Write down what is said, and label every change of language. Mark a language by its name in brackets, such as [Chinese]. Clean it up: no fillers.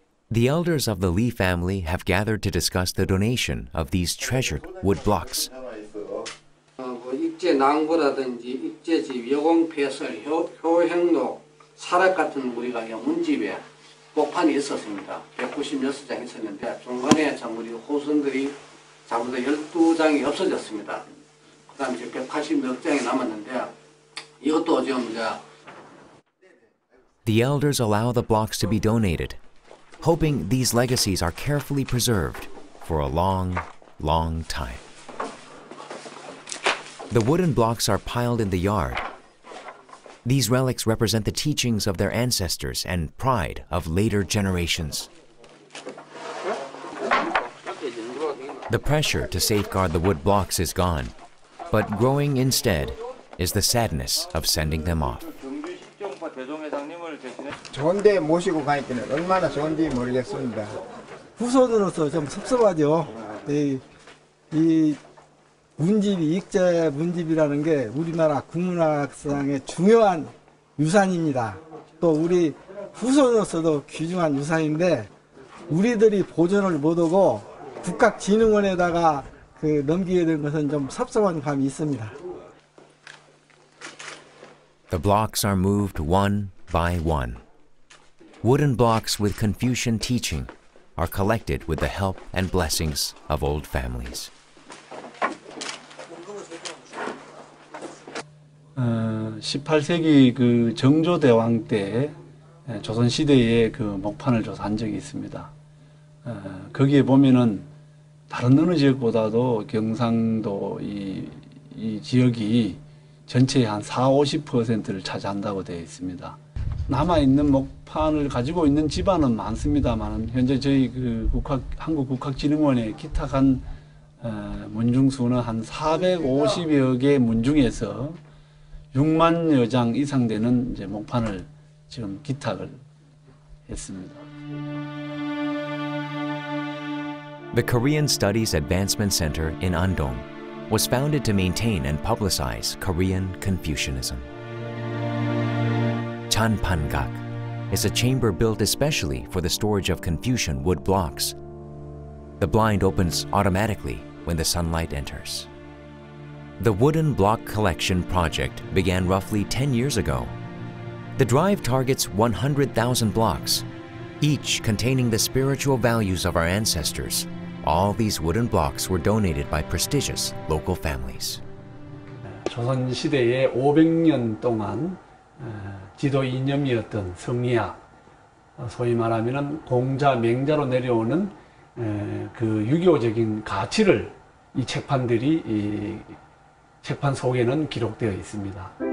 [English] The elders of the Lee family have gathered to discuss the donation of these treasured wood blocks. [Korean] 낭보라든지 입재집 여공패설 효행록 사락 같은 우리가 문집에 복판이 있었습니다. 196장 있었는데 중간에 우리 호선들이 전부 다 12장이 없어졌습니다. 그 다음 이제 186장이 남았는데 이것도 지금 이제 [English] The elders allow the blocks to be donated, hoping these legacies are carefully preserved for a long, long time. The wooden blocks are piled in the yard. These relics represent the teachings of their ancestors and pride of later generations. The pressure to safeguard the wood blocks is gone, but growing instead is the sadness of sending them off. [Korean] 좋은데 모시고 가니까는 얼마나 좋은지 모르겠습니다. 후손으로서 좀 섭섭하죠. 이 문집이 익제 문집이라는 게 우리나라 국문학상의 중요한 유산입니다. 또 우리 후손으로서도 귀중한 유산인데 우리들이 보존을 못하고 국학진흥원에다가 그 넘기게 된 것은 좀 섭섭한 감이 있습니다. [English] The blocks are moved one by one. Wooden blocks with Confucian teaching are collected with the help and blessings of old families. [Korean] 18세기 그 정조대왕 때 조선시대에 그 목판을 조사한 적이 있습니다. 거기에 보면은 다른 어느 지역보다도 경상도 이 지역이 전체의 한 40-50%를 차지한다고 되어 있습니다. 남아있는 목판을 가지고 있는 집안은 많습니다만 현재 저희 그 한국국학진흥원에 기탁한 문중수는 한 450여 개 문중에서 6만여 장 이상 되는 이제 목판을 지금 기탁을 했습니다. [English] The Korean Studies Advancement Center in Andong was founded to maintain and publicize Korean Confucianism. Chanpangak is a chamber built especially for the storage of Confucian wood blocks. The blind opens automatically when the sunlight enters. The wooden block collection project began roughly 10 years ago. The drive targets 100,000 blocks, each containing the spiritual values of our ancestors. All these wooden blocks were donated by prestigious local families. [Korean] 조선 시대에 500년 동안 지도 이념이었던 성리학, 소위 말하면은 공자 맹자로 내려오는 그 유교적인 가치를 이 책판들이 이 책판 속에는 기록되어 있습니다.